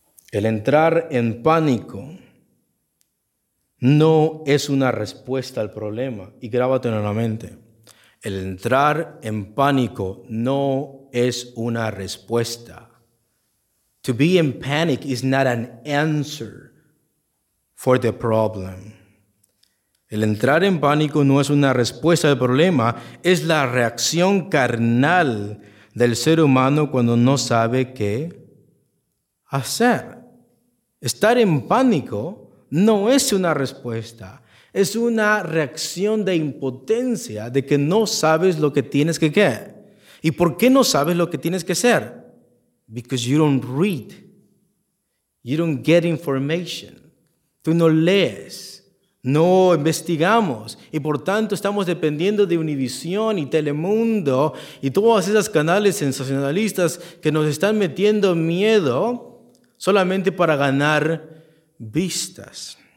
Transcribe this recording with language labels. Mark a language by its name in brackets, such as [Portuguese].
[Spanish] El entrar en pánico no es una respuesta al problema, y grábatelo en la mente. El entrar en pánico no es una respuesta. [English] To be in panic is not an answer for the problem. [Spanish] El entrar en pánico no es una respuesta al problema, es la reacción carnal del ser humano cuando no sabe qué hacer. Estar en pánico no es una respuesta, es una reacción de impotencia, de que no sabes lo que tienes que hacer. ¿Y por qué no sabes lo que tienes que hacer? [English] Because you don't read, you don't get information, [Spanish] tú no lees. No investigamos y por tanto estamos dependiendo de Univisión y Telemundo y todas esas canales sensacionalistas que nos están metiendo miedo solamente para ganar vistas.